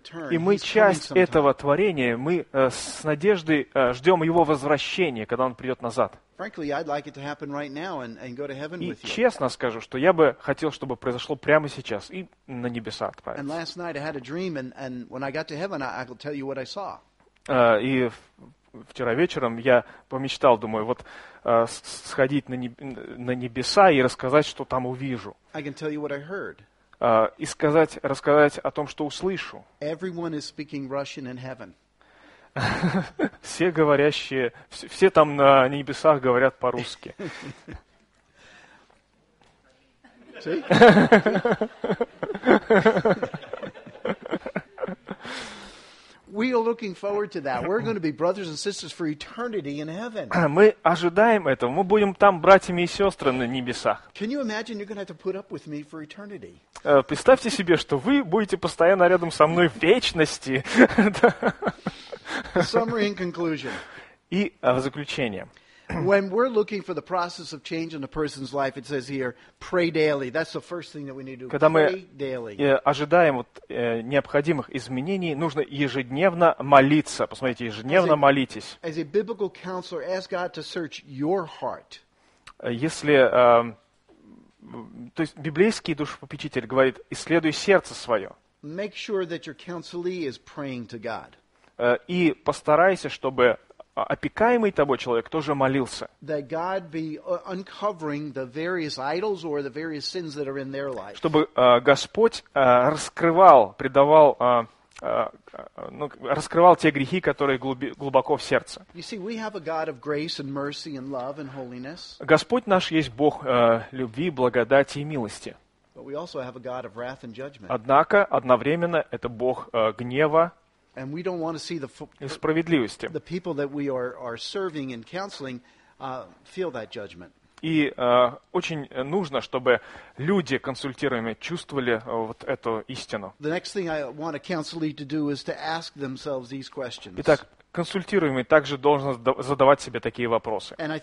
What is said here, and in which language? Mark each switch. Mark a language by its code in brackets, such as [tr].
[ru] И мы часть этого творения, мы с надеждой ждем Его возвращения, когда Он придет назад. [en] Frankly, I'd like it to happen right now and go to heaven with you. [ru] И честно скажу, что я бы хотел, чтобы произошло прямо сейчас и на небеса отправиться. [en] And last night I had a dream and when I got to heaven I will tell you what I saw. [ru] И вчера вечером я помечтал, думаю, вот сходить на небеса и рассказать, что там увижу. [en] I can tell you what I heard. [ru] И рассказать о том, что услышу. [en] Everyone is speaking Russian in heaven. [ru] Все говорящие, все там на небесах говорят по-русски. [en] We are looking forward to that. We're going to be brothers and sisters for eternity in heaven. [ru] Мы ожидаем этого. Мы будем там братьями и сестрами на небесах. [en] Can you imagine you're going to have to put up with me for eternity? [ru] Представьте себе, что вы будете постоянно рядом со мной в вечности. [en] Summary and conclusion. [ru] И в заключение. [en] When we're looking for the process of change in a person's life, it says here, pray daily. That's the first thing that we need to do. [ru] Когда [en] pray [ru] мы [en] daily. [ru] Ожидаем вот, необходимых изменений, нужно ежедневно молиться. Посмотрите, ежедневно молитесь. [en] As a biblical counselor, ask God to search your heart. [ru] Если то есть библейский душепопечитель говорит, исследуй сердце свое. [en] Make sure that your counselee is praying to God. [ru] И постарайся, чтобы опекаемый тобой человек тоже молился. [en] That God be uncovering the various idols or the various sins that are in their life. [ru] Чтобы Господь раскрывал, предавал, ну, раскрывал те грехи, которые глубоко в сердце. [en] You see, we have a God of grace and mercy and love and holiness. [ru] Господь наш есть Бог любви, благодати и милости. [en] But we also have a God of wrath and judgment. [ru] Однако, одновременно, это Бог гнева. [en] And we don't want to see the people that we are serving and counseling feel that judgment. [ru] И очень нужно, чтобы люди, консультируемые, чувствовали вот эту истину. Итак, консультируемый также должен задавать себе такие вопросы.